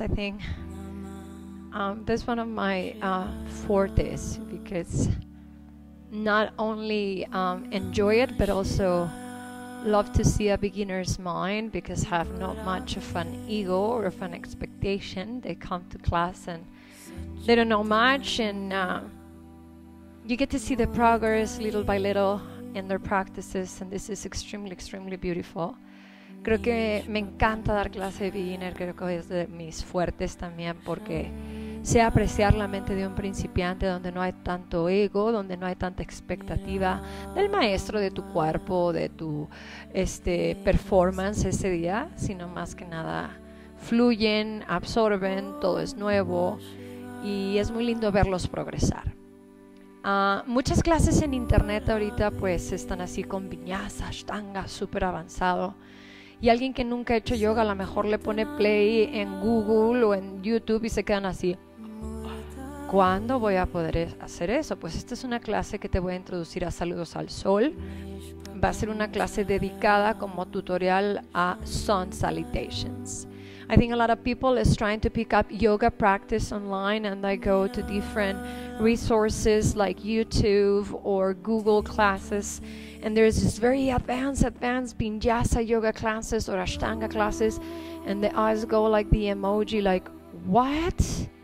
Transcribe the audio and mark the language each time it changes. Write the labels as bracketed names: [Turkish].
[English] I think this is one of my fortes, because not only enjoy it, but also love to see a beginner's mind, because I have not much of an ego or of an expectation. They come to class and they don't know much, and you get to see the progress little by little in their practices, and this is extremely, extremely beautiful. [Spanish] Creo que me encanta dar clase de beginner, creo que es de mis fuertes también, porque sé apreciar la mente de un principiante donde no hay tanto ego, donde no hay tanta expectativa del maestro, de tu cuerpo, de tu performance ese día, sino más que nada fluyen, absorben, todo es nuevo y es muy lindo verlos progresar. Muchas clases en internet ahorita pues están así con viñasa, ashtanga, súper avanzado. Y alguien que nunca ha hecho yoga a lo mejor le pone play en Google o en YouTube y se quedan así. ¿Cuándo voy a poder hacer eso? Pues esta es una clase que te voy a introducir a Saludos al Sol. Va a ser una clase dedicada como tutorial a Sun Salutations. [English] I think a lot of people is trying to pick up yoga practice online, and they go to different resources like YouTube or Google classes, and there's this very advanced vinyasa yoga classes or ashtanga classes, and the eyes go like the emoji, like, what?